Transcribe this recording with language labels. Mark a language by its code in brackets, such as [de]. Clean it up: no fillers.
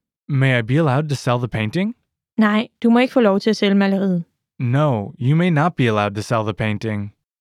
[en] May I be allowed to sell the painting? [da] Nej, du må ikke få lov til at sælge maleriet. [en] No, you may not be allowed to sell the painting.